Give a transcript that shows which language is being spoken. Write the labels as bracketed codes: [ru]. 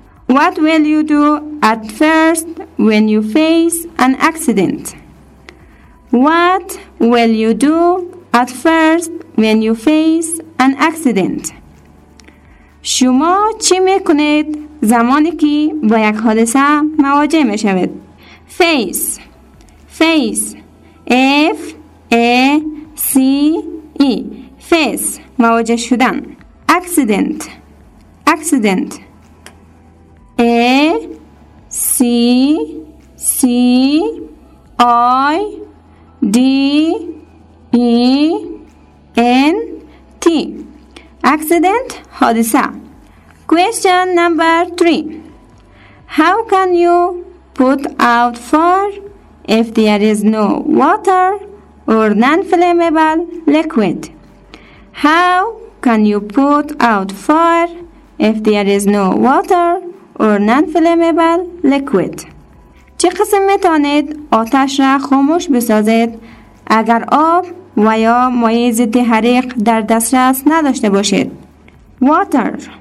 [en] What will you do at first when you face an accident? What will you do at first when you face an accident? [fa] شما چی میکنید زمانی که با یک حادثه مواجه میشوید؟ [en] Face, face, F, A, C, E, face, [fa] مواجه شدن. [en] Accident, accident, A, C, C, I, D, E, N, T, accident, حادثه. Question number 3. How can you put out fire if there is no water or non-flammable liquid? How can you put out fire if there is no water or non-flammable liquid? [fa] چه قسم میتونید آتش را خاموش بسازید اگر آب و یا مایع ضد حریق در دسترس نداشته باشید؟ Water.